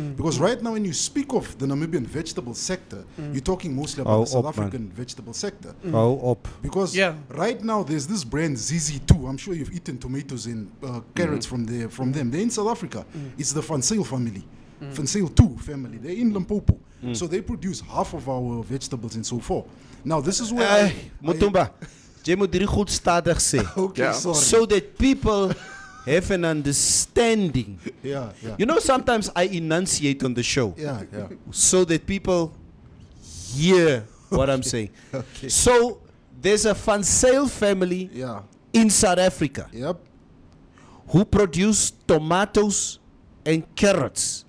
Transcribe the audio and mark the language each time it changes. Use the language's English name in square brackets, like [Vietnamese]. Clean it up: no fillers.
[English] Because right now, when you speak of the Namibian vegetable sector, you're talking mostly about the South African vegetable sector. Because right now, there's this brand ZZ2. I'm sure you've eaten tomatoes and carrots from them. They're in South Africa. It's the Fonseil family. Fonseil 2 family. They're in Limpopo. So they produce half of our vegetables and so forth. Now, this is where [Afrikaans] Mutumba, jy moet hierdie goed stadig sê. [English] Okay, yeah. Sorry. So that people have an understanding. Yeah, yeah. You know, sometimes I enunciate on the show. Yeah, yeah. So that people hear what I'm saying. Okay. So there's a Fonseil family in South Africa. Yep. Who produce tomatoes and carrots.